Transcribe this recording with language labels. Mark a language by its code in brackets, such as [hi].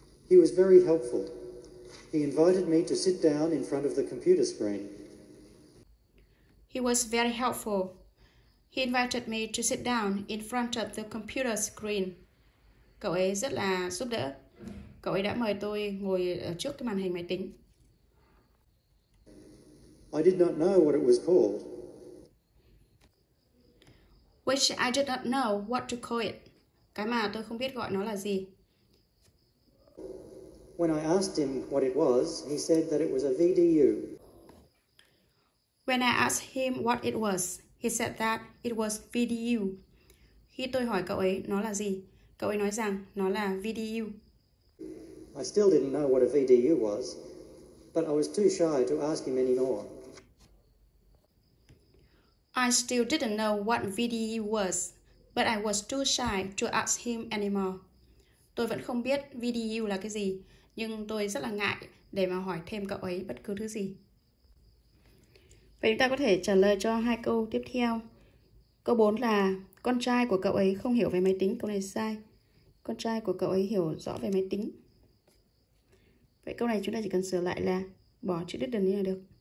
[en] He was very helpful. He invited me to sit down in front of the computer screen. He was very helpful. He invited me to sit down in front of the computer screen. [vi] Cậu ấy rất là giúp đỡ. Cậu ấy đã mời tôi ngồi ở trước cái màn hình máy tính. [en] I did not know what it was called. Which I did not know what to call it. [vi] Cái mà tôi không biết gọi nó là gì. [en] When I asked him what it was, he said that it was a VDU. When I asked him what it was, he said that it was VDU. [vi] Khi tôi hỏi cậu ấy nó là gì, cậu ấy nói rằng nó là VDU. [en] I still didn't know what a VDU was, but I was too shy to ask him any more. I still didn't know what VDU was, but I was too shy to ask him any more. [vi] Tôi vẫn không biết VDU là cái gì, nhưng tôi rất là ngại để mà hỏi thêm cậu ấy bất cứ thứ gì. Vậy chúng ta có thể trả lời cho hai câu tiếp theo. Câu 4 là con trai của cậu ấy không hiểu về máy tính. Câu này sai. Con trai của cậu ấy hiểu rõ về máy tính. Vậy câu này chúng ta chỉ cần sửa lại là bỏ chữ đứt đường đi là được.